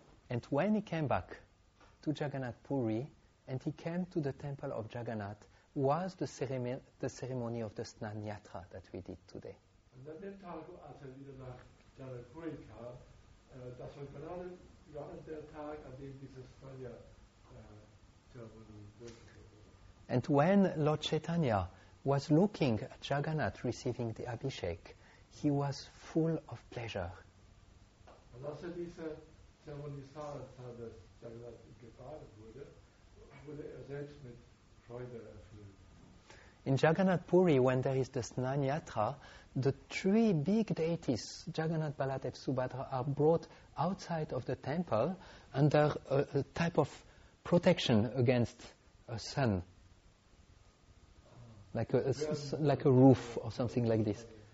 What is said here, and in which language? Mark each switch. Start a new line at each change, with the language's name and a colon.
English: And when he came back to Jagannath Puri and he came to the temple of Jagannath, was the ceremony of the Snan Yatra that we did today.
German: Und an dem Tag, als er wieder nach Jagannath Puri kam, das war gerade der Tag, an dem dieses Sanya-Zeremonie durchgeführt wurde.
English: And when Lord Chaitanya was looking at Jagannath receiving the Abhishek, he was full of pleasure.
German: Und als er diese Zeremonie sah, als Jagannath gefahren wurde, wurde er selbst mit Freude erfüllt.
English: In Jagannath Puri, when there is the Snan Yatra, the three big deities, Jagannath, Baladev, Subhadra, are brought outside of the temple under a type of protection against a sun, like a roof or something like this.